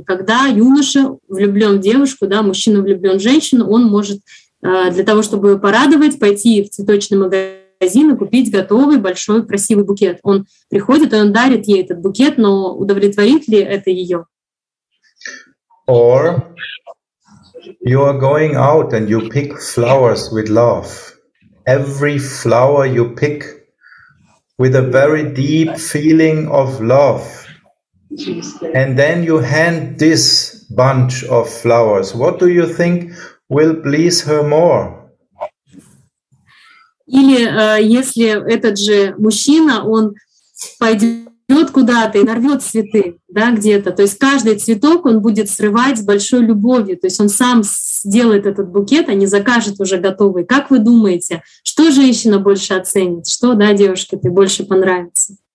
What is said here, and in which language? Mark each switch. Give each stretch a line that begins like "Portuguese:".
Russian: Когда юноша влюблен в девушку, да, мужчина влюблен в женщину, он может для того, чтобы ее порадовать, пойти в цветочный магазин и купить готовый большой красивый букет. Он приходит, и он дарит ей этот букет, но удовлетворит ли это ее?
English: Or you are going out and you pick flowers with love. Every flower you pick with a very deep feeling of love. And then you hand this bunch of flowers. What do you think will please her more?
Russian: Или если этот же мужчина, он пойдет куда-то и нарвет цветы, да, где-то. То есть каждый цветок он будет срывать с большой любовью. То есть он сам сделает этот букет, а не закажет уже готовый. Как вы думаете, что женщина больше оценит? Что, да, девушке ты больше понравится?